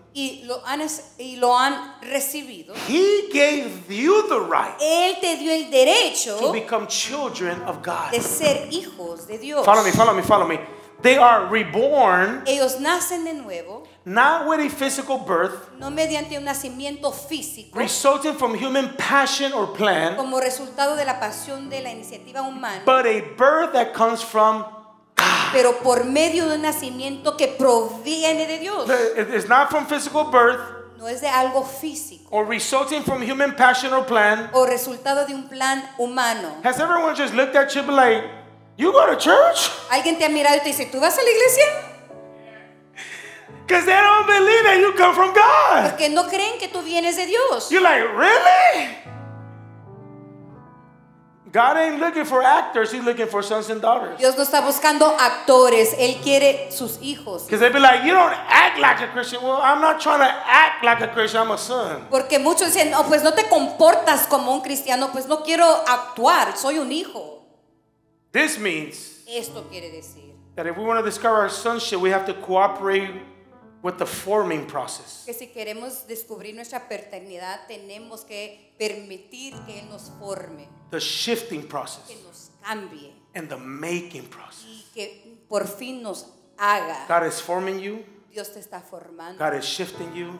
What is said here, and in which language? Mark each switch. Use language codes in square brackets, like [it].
[es] Y lo han recibido. [en] He gave you the right. [es] Él te dio el derecho. [en] To become children of God. [es] De ser hijos de Dios. [en] Follow me. They are reborn. [es] Ellos nacen de nuevo. [en] Not with a physical birth. [es] No mediante un nacimiento físico. [en] Resulting from human passion or plan. [es] Como resultado de la pasión de la iniciativa humana. [en] But a birth that comes from God. [es] Pero por medio de un nacimiento que proviene de Dios. [en] It's not from physical birth. [es] No es de algo físico. [en] Or resulting from human passion or plan. [es] O resultado de un plan humano. [en] Has everyone just looked at you like, you go to church? [es] ¿Alguien te ha mirado y te dice, tú vas a la iglesia? [en] Because they don't believe that you come from God. [es] Porque no creen que tú vienes de Dios. [en] You're like, really? God ain't looking for actors. He's looking for sons and daughters. [es] Dios no está buscando actores. Él quiere sus hijos. [en] Because they'd be like, you don't act like a Christian. Well, I'm not trying to act like a Christian. I'm a son. [es] Porque muchos dicen, no, pues no te comportas como un cristiano. Pues no quiero actuar. Soy un hijo. [en] This means [es] esto quiere decir [en] that if we want to discover our sonship, we have to cooperate with the forming process. [es] Que si queremos descubrir nuestra paternidad, tenemos que permitir que él nos forme. [en] The shifting process. [es] Que nos cambie. [en] And the making process. [es] Y que por fin nos haga. [en] God is forming you. [es] Dios te está formando. [en] God is shifting you.